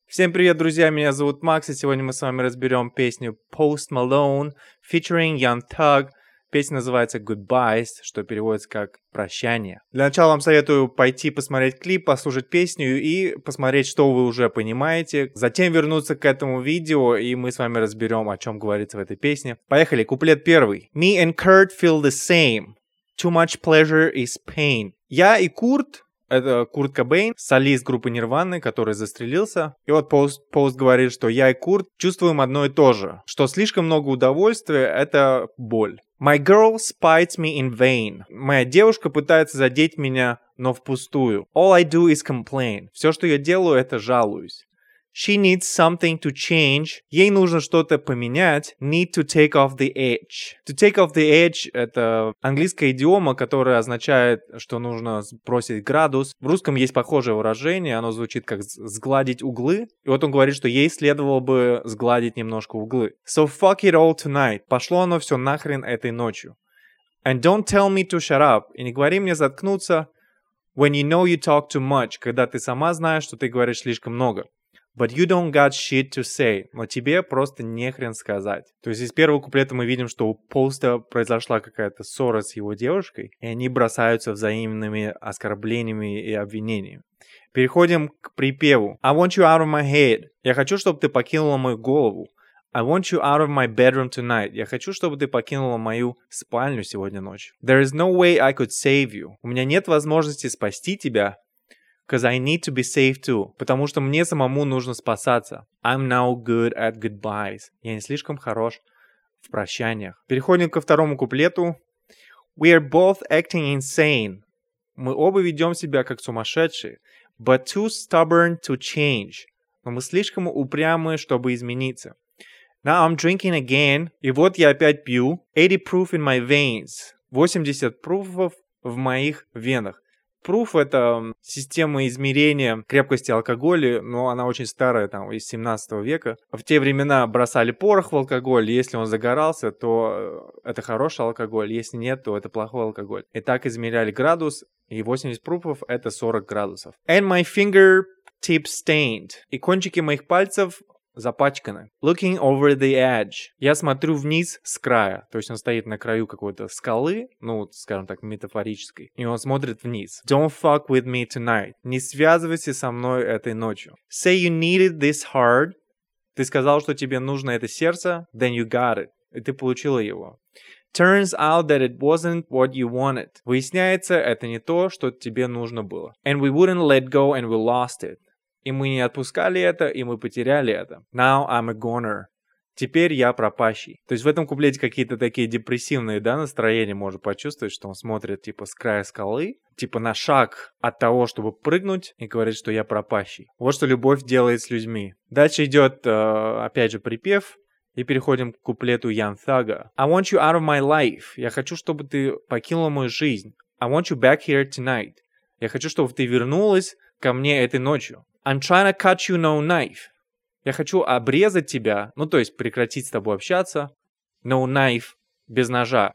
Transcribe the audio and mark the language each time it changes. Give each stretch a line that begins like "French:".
Russian: Всем привет, друзья, меня зовут Макс, и сегодня мы с вами разберем песню Post Malone, featuring Young Thug. Песня называется Goodbyes, что переводится как «прощание». Для начала вам советую пойти посмотреть клип, послушать песню и посмотреть, что вы уже понимаете. Затем вернуться к этому видео, и мы с вами разберем, о чем говорится в этой песне. Поехали, куплет первый.
English: Me and Kurt feel the same. Too much pleasure is pain.
Russian: Я и Курт... Это Курт Кобейн, солист группы Нирваны, который застрелился. И вот Пост говорит, что я и Курт чувствуем одно и то же. Что слишком много удовольствия — это боль.
English: My girl spites me in vain.
Russian: Моя девушка пытается задеть меня, но впустую.
English: All I do is complain.
Russian: Все, что я делаю, это жалуюсь.
English: She needs something to change.
Russian: Ей нужно что-то поменять.
English: Need to take off the edge. To take off the edge
Russian: — это английская идиома, которая означает, что нужно сбросить градус. В русском есть похожее выражение, оно звучит как «сгладить углы». И вот он говорит, что ей следовало бы сгладить немножко углы.
English: So fuck it all tonight.
Russian: Пошло оно все нахрен этой ночью.
English: And don't tell me to shut up.
Russian: И не говори мне заткнуться.
English: When you know you talk too much.
Russian: Когда ты сама знаешь, что ты говоришь слишком много.
English: But you don't got shit to say.
Russian: Но тебе просто нехрен сказать. То есть из первого куплета мы видим, что у Поста произошла какая-то ссора с его девушкой. И они бросаются взаимными оскорблениями и обвинениями. Переходим к припеву.
English: I want you out of my head.
Russian: Я хочу, чтобы ты покинула мою голову.
English: I want you out of my bedroom tonight.
Russian: Я хочу, чтобы ты покинула мою спальню сегодня ночью.
English: There is no way I could save you.
Russian: У меня нет возможности спасти тебя.
English: Because I need to be safe too.
Russian: Потому что мне самому нужно спасаться.
English: I'm now good at goodbyes.
Russian: Я не слишком хорош в прощаниях. Переходим ко второму куплету.
English: We are both acting insane.
Russian: Мы оба ведем себя как сумасшедшие.
English: But too stubborn to change.
Russian: Но мы слишком упрямы, чтобы измениться.
English: Now I'm drinking again.
Russian: И вот я опять пью.
English: 80 proof in my veins.
Russian: 80 proof в моих венах. Proof — это система измерения крепкости алкоголя, но она очень старая, там, из 17 века. В те времена бросали порох в алкоголь, если он загорался, то это хороший алкоголь, если нет, то это плохой алкоголь. И так измеряли градус, и 80 proof — это 40 градусов.
English: And my fingertips stained.
Russian: И кончики моих пальцев запачканы.
English: Looking over the edge.
Russian: Я смотрю вниз с края. То есть он стоит на краю какой-то скалы, ну, скажем так, метафорической. И он смотрит вниз.
English: Don't fuck with me tonight.
Russian: Не связывайся со мной этой ночью.
English: Say you needed this heart.
Russian: Ты сказал, что тебе нужно это сердце.
English: Then you got it.
Russian: И ты получила его.
English: Turns out that it wasn't what you wanted.
Russian: Выясняется, это не то, что тебе нужно было.
English: And we wouldn't let go and we lost it.
Russian: И мы не отпускали это, и мы потеряли это.
English: Now I'm a goner.
Russian: Теперь я пропащий. То есть в этом куплете какие-то такие депрессивные, да, настроения можно почувствовать, что он смотрит типа с края скалы, типа на шаг от того, чтобы прыгнуть, и говорит, что я пропащий. Вот что любовь делает с людьми. Дальше идет, опять же, припев, и переходим к куплету Young Thug.
English: I want you out of my life.
Russian: Я хочу, чтобы ты покинула мою жизнь.
English: I want you back here tonight.
Russian: Я хочу, чтобы ты вернулась ко мне этой ночью.
English: I'm trying to cut you no knife.
Russian: Я хочу обрезать тебя, ну, то есть прекратить с тобой общаться.
English: No knife,
Russian: без ножа.